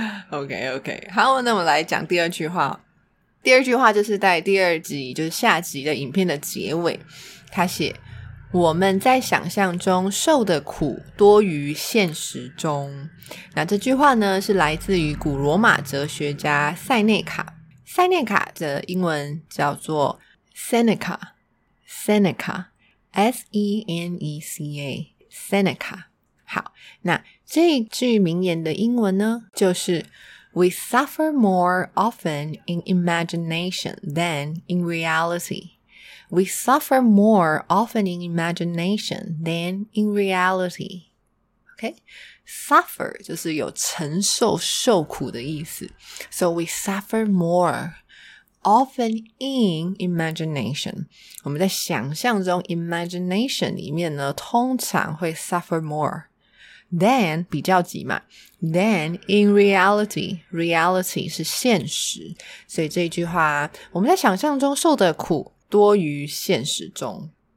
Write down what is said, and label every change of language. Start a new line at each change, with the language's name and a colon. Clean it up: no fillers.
Chinese: OK OK， 好，那我来讲第二句话。第二句话就是在第二集，就是下集的影片的结尾，他写：我们在想象中受的苦多于现实中。那这句话呢，是来自于古罗马哲学家塞内卡。塞内卡的英文叫做 Seneca， Seneca， S-E-N-E-C-A， Seneca。好，那这一句名言的英文呢，就是
English: We suffer more often in imagination than in reality。 We suffer more often in imagination than in reality. OK?
Chinese: Suffer 就是有承受受苦的意思。
English: So we suffer more often in imagination.
Chinese: 我们在想象中 imagination 里面呢，通常会
English: suffer more than
Chinese: 比较级嘛
English: than in reality.
Chinese: Reality 是现实。所以这句话，我们在想象中受的苦多于现实中。